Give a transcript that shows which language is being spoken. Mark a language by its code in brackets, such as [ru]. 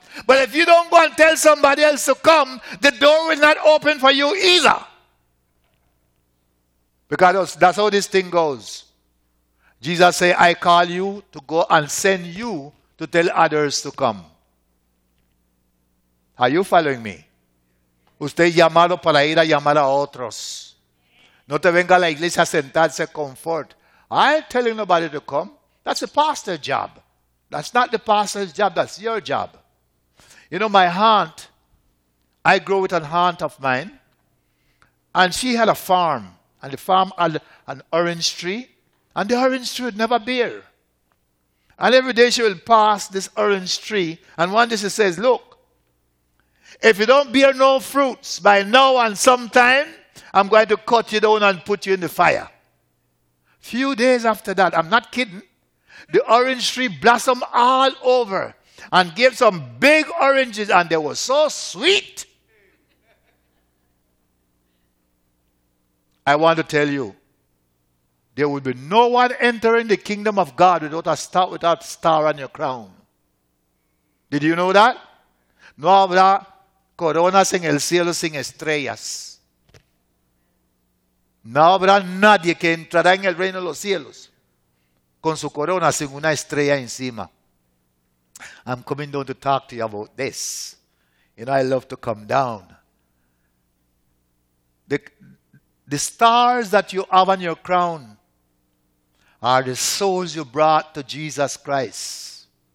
[en] But if you don't go and tell somebody else to come, the door will not open for you either. Because that's how this thing goes. Jesus said, I call you to go and send you to tell others to come. Are you following me? [es] Usted llamado para ir a llamar a otros. No te venga a la iglesia a sentarse confort. [en] I ain't telling nobody to come. That's the pastor's job. That's not the pastor's job. That's your job. You know, my aunt, I grew with an aunt of mine. And she had a farm. And the farm had an orange tree. And the orange tree would never bear. And every day she would pass this orange tree. And one day she says, look, if you don't bear no fruits by now and sometime, I'm going to cut you down and put you in the fire. Few days after that, I'm not kidding, the orange tree blossomed all over and gave some big oranges, and they were so sweet. I want to tell you, there will be no one entering the kingdom of God without a star on your crown. Did you know that? [es] No habrá coronas en el cielo sin estrellas. No habrá nadie que entrará en el reino de los cielos con su corona sin una estrella encima. [en] I'm coming down to talk to you about this. You know, I love to come down. The stars that you have on your crown are the souls you brought to Jesus Christ.